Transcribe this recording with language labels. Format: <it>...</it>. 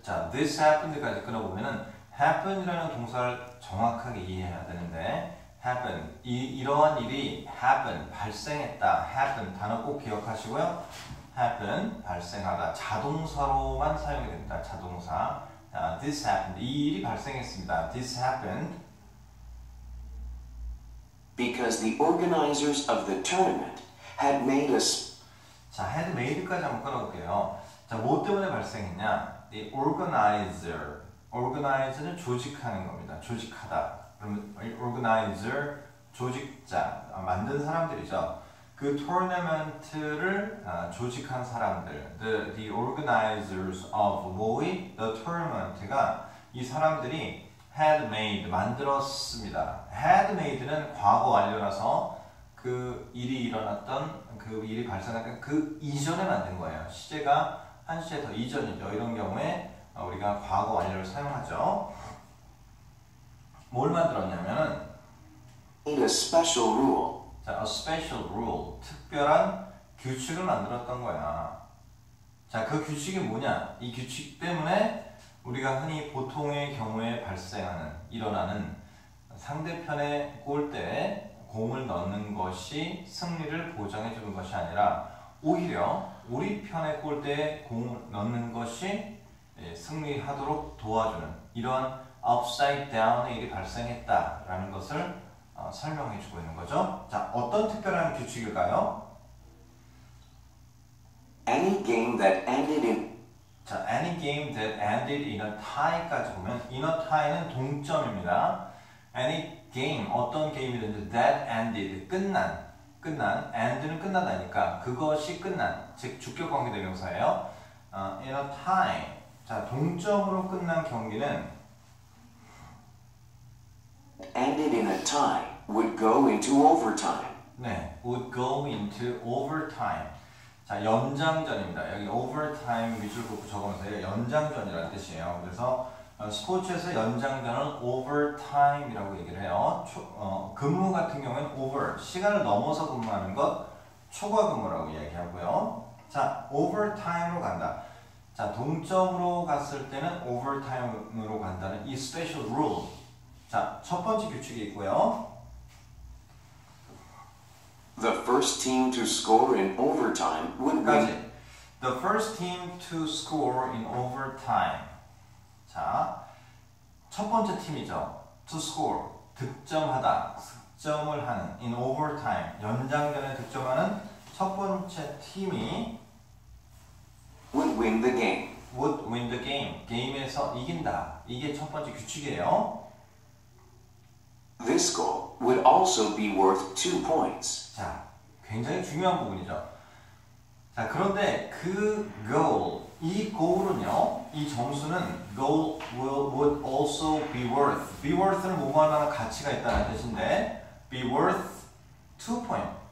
<ko>자,</ko> <en>this happened</en> <ko>까지 끊어보면은 happen이라는 동사를 정확하게 이해해야 되는데 happen, 이러한 일이 happen, 발생했다 happen, 단어 꼭 기억하시고요 happen, 발생하다 자동사로만 사용이 됩니다 자동사 this happened, 이 일이 발생했습니다 this happened</ko> <en>because the organizers of the tournament had made a had made</en> <ko>까지 한번 끊어볼게요 자, 뭐 때문에 발생했냐</ko> <en>the organizer</en> <ko>Organize는 조직하는 겁니다. 조직하다. 그러면 Organizer, 조직자, 만든 사람들이죠. 그 토너먼트를 조직한 사람들.</ko> <en>The organizers of Moi, the tournament</en> <ko>가 이 사람들이</ko> <en>had made,</en> <ko>만들었습니다. Had made는 과거 완료라서 그 일이 일어났던, 그 일이 발생한 그 이전에 만든 거예요. 시제가 한 시제 더 이전이죠. 이런 경우에 우리가 과거 완료를 사용하죠. 뭘 만들었냐면은</ko> <en>a special rule. 자, a special rule.</en> <ko>특별한 규칙을 만들었던 거야. 자, 그 규칙이 뭐냐? 이 규칙 때문에 우리가 흔히 보통의 경우에 발생하는 일어나는 상대편의 골대에 공을 넣는 것이 승리를 보장해 주는 것이 아니라 오히려 우리 편의 골대에 공을 넣는 것이 승리하도록 도와주는 이러한 업사이드 다운의 일이 발생했다라는 것을 설명해 주고 있는 거죠. 자, 어떤 특별한 규칙일까요?</ko> <en>Any game that ended in</en> <ko>자,</ko> <en>any game that ended in a tie</en> <ko>까지 보면 in a tie는 동점입니다.</ko> <en>Any game,</en> <ko>어떤 게임이든지</ko> <en>that ended,</en> <ko>끝난, end는 끝나다니까 그것이 끝난, 즉 주격 관계 대명사예요.</ko> <en>In a tie,</en> <ko>자, 동점으로 끝난 경기는</ko> <en>ended in a tie would go into overtime.</en> <ko>네,</ko> <en>would go into overtime.</en> <ko>자, 연장전입니다. 여기 overtime 밑줄 긋고 적으면서 연장전이라는 뜻이에요. 그래서 스포츠에서 연장전을 overtime이라고 얘기를 해요. 근무 같은 경우에는 over, 시간을 넘어서 근무하는 것, 초과 근무라고 이야기하고요. 자, overtime으로 간다. 자, 동점으로 갔을 때는 overtime으로 간다는 이</ko> <en>special rule.</en> <ko>자, 첫 번째 규칙이 있고요.</ko> <en>The first team to score in overtime would win. The first team to score in overtime.</en> <ko>자, 첫 번째 팀이죠.</ko> <en>To score,</en> <ko>득점하다, 득점을 하는</ko> <en>in overtime,</en> <ko>연장전에 득점하는 첫 번째 팀이</ko> <en>would win the game. Would win the game.</en> <ko>게임에서 이긴다. 이게 첫 번째 규칙이에요.</ko> <en>This goal would also be worth 2 points.</en> <ko>자, 굉장히 중요한 부분이죠. 자, 그런데 그 goal, 이 goal은요, 이 점수는</ko> <en>goal would also be worth.</en> <ko>be worth는 뭐뭐할 만한 가치가 있다는 뜻인데</ko> <en>be worth 2 points.</en>